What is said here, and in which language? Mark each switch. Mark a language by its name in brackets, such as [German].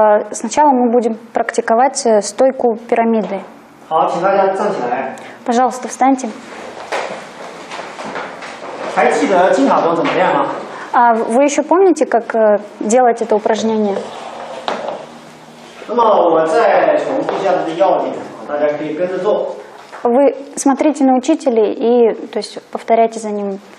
[Russian] Сначала мы будем практиковать стойку пирамиды. [Chinese] 好，请大家站起来。 [Russian] Пожалуйста, встаньте. [Chinese] 还记得金塔功怎么练吗？ [Russian] Вы еще помните, как делать это упражнение? [Chinese] 那么我再重复一下它的要点，大家可以跟着做。 [Russian] Вы смотрите на учителя и, то есть, повторяйте за ним.